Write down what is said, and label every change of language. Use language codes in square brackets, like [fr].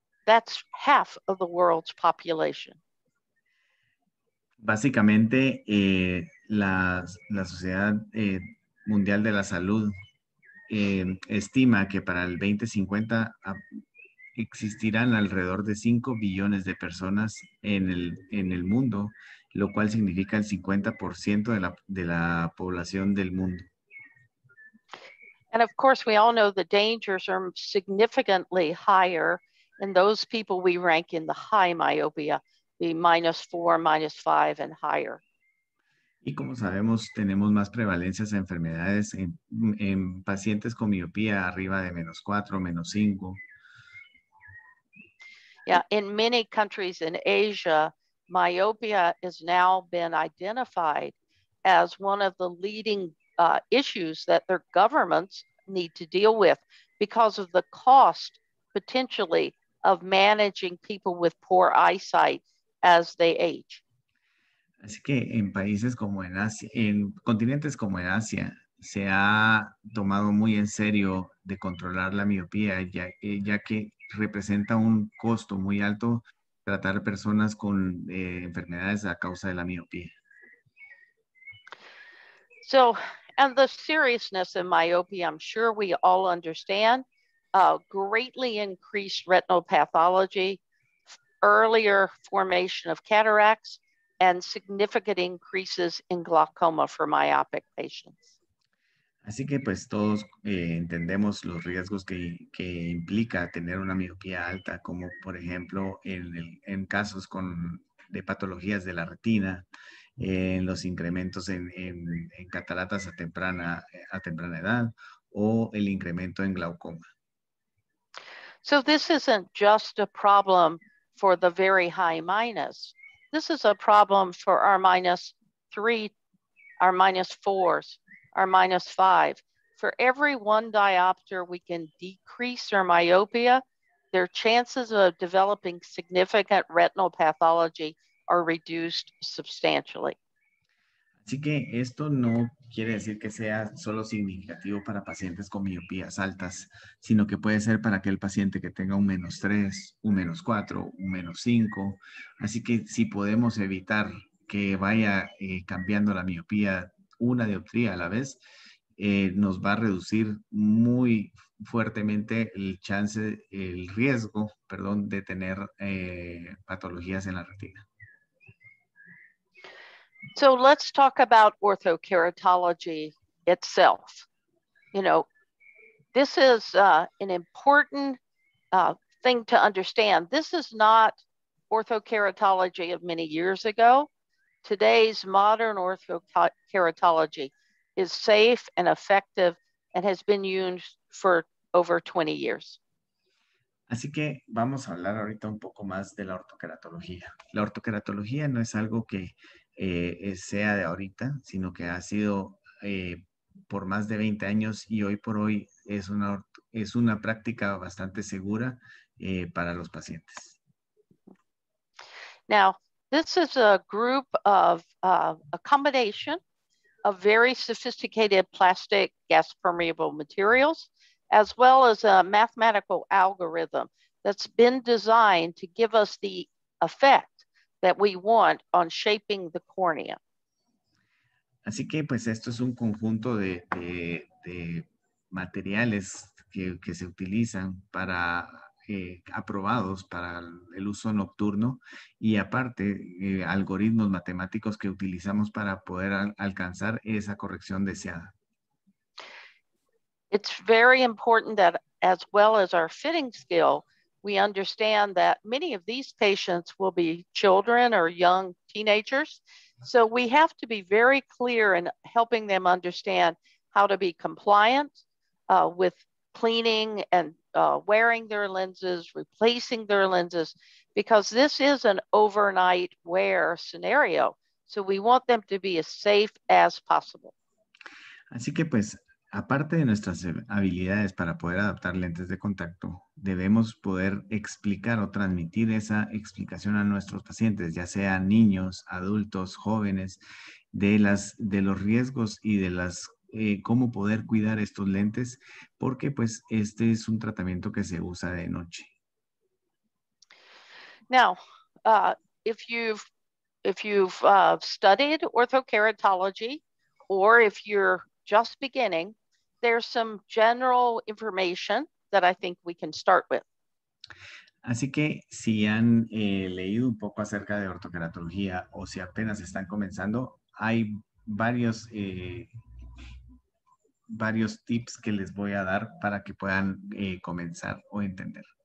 [en] That's half of the world's population. [es] Básicamente, la Sociedad Mundial de la Salud estima que para el 2050 existirán alrededor de 5 billones de personas en el mundo, lo cual significa el 50% de la población del mundo. [en] And of course, we all know the dangers are significantly higher in those people we rank in the high myopia, the -4, -5 and higher. [es] Y como sabemos, tenemos más prevalencias de enfermedades en pacientes con miopía arriba de -4, -5. [en] Yeah, in many countries in Asia, myopia has now been identified as one of the leading issues that their governments need to deal with because of the cost potentially of managing people with poor eyesight as they age. [es] Así que en países como en Asia, en continentes como en Asia, se ha tomado muy en serio de controlar la miopía, ya que representa un costo muy alto tratar personas con enfermedades a causa de la miopía. [en] So, and the seriousness of myopia, I'm sure we all understand, greatly increased retinal pathology, earlier formation of cataracts, and significant increases in glaucoma for myopic patients. [es] Así que pues todos entendemos los riesgos que implica tener una miopía alta, como por ejemplo en casos de patologías de la retina, en los incrementos en cataratas a temprana edad, o el incremento en glaucoma. [en] So this isn't just a problem for the very high minus. This is a problem for our minus three, our minus fours, our minus five. For every one diopter we can decrease their myopia, their chances of developing significant retinal pathology are reduced substantially. [es] Así que esto no quiere decir que sea solo significativo para pacientes con miopías altas, sino que puede ser para aquel paciente que tenga un menos 3, un menos 4, un menos 5. Así que si podemos evitar que vaya cambiando la miopía una dioptría a la vez, nos va a reducir muy fuertemente el riesgo, de tener patologías en la retina. [en] So let's talk about orthokeratology itself. You know, this is an important thing to understand. This is not orthokeratology of many years ago. Today's modern orthokeratology is safe and effective and has been used for over 20 years. [es] Así que vamos a hablar ahorita un poco más de la ortokeratología. La ortokeratología no es algo que sea de ahorita, sino que ha sido por más de 20 años y hoy por hoy es una práctica bastante segura para los pacientes. [en] Now, this is a group of a combination of very sophisticated plastic gas permeable materials, as well as a mathematical algorithm that's been designed to give us the effect that we want on shaping the cornea. [es] Así que pues esto es un conjunto de materiales que se utilizan para aprobados para el uso nocturno y aparte algoritmos matemáticos que utilizamos para poder alcanzar esa corrección deseada. [en] It's very important that as well as our fitting skill, we understand that many of these patients will be children or young teenagers. So we have to be very clear in helping them understand how to be compliant with cleaning and wearing their lenses, replacing their lenses, because this is an overnight wear scenario. So we want them to be as safe as possible. [es] Así que pues, aparte de nuestras habilidades para poder adaptar lentes de contacto, debemos poder explicar o transmitir esa explicación a nuestros pacientes, ya sean niños, adultos, jóvenes, de los riesgos y de las cómo poder cuidar estos lentes, porque pues este es un tratamiento que se usa de noche. [en] Now, if you've studied orthokeratology, or if you're just beginning, there's some general information that I think we can start with. [es] Así que si han leído un poco acerca de ortokeratología o si apenas están comenzando, hay varios tips que les voy a dar para que puedan comenzar o entender.